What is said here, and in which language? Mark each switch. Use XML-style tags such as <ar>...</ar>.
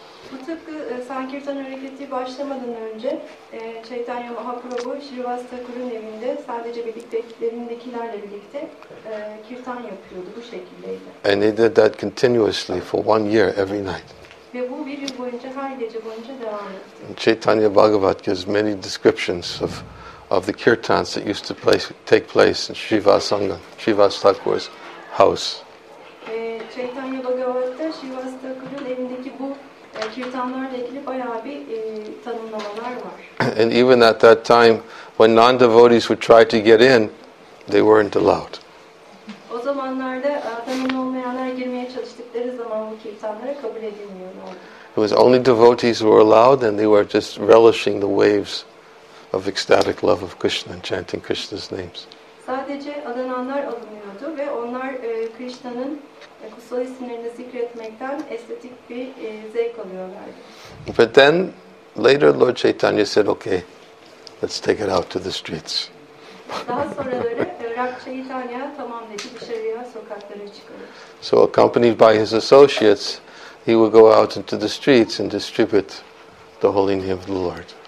<en>And they did that continuously for 1 year every night. And Chaitanya Bhagavat gives many descriptions of of the kirtans that used to take place in Shiva Sangha, Shiva Thakur's house.</en> <tr>Chaitanya Bhagavat'ta Shiva Thakur'un evindeki bu kirtanlarla ilgili bayağı bir tanımlamalar var.</tr> <en>And even at that time, when non-devotees would try to get in, they weren't allowed.</en> <tr>O zamanlarda tanımlı olmayanlar girmeye çalıştıkları zaman bu kirtanlara kabul edilmiyordu.</tr> <en>It was only devotees who were allowed, and they were just relishing the waves of ecstatic love of Krishna and chanting Krishna's names.</en> <tr>Sadece adananlar alınıyordu ve onlar Krishna'nın kutsal isimlerini zikretmekten estetik bir zevk alıyorlardı.</tr> <en>But then later Lord Chaitanya said, okay, let's take it out to the streets.</en> <tr>Daha sonraları Lord Chaitanya tamam dedi, dışarıya sokaklara çıkıyor.</tr> <en>So accompanied by his associates, he would go out into the streets and distribute the holy name of the Lord.</en>